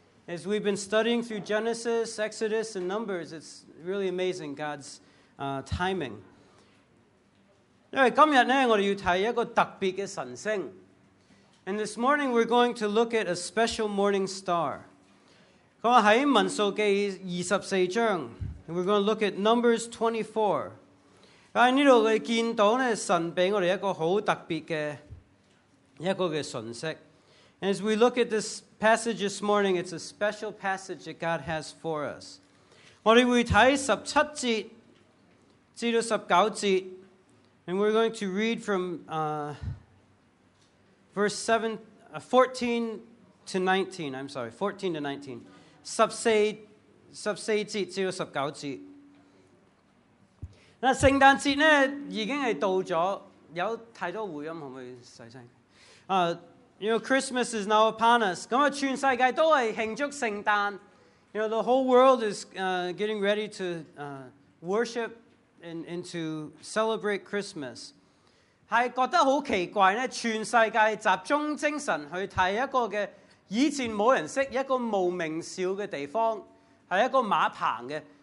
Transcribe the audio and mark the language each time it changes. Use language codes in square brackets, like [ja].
[en] As we've been studying through Genesis, Exodus, and Numbers, it's really amazing God's timing. [yue] 因為今日呢，我哋要睇一個特別嘅神星。 [en] And this morning we're going to look at a special morning star. [yue] 咁喺民數記24章， [en] we're going to look at Numbers 24. [yue] 喺呢度你見到呢，神俾我哋一個好特別嘅一個嘅信息。 [en] As we look at this passage this morning, it's a special passage that God has for us. [yue] 我哋會睇17節至19節， [en] and we're going to read from verse 14 to 19. 14 to 19. [yue] 14節至19節。那聖誕節呢已經係到咗，有太多迴音，可唔可以細聲？ [en] You know, Christmas is now upon us. [yue] 咁啊，全世界都係慶祝聖誕。 [en] You know, the whole world is getting ready to worship and to celebrate Christmas. [yue] 係覺得好奇怪咧，全世界集中精神去睇一個嘅以前冇人識、一個無名小嘅地方，係一個馬棚嘅。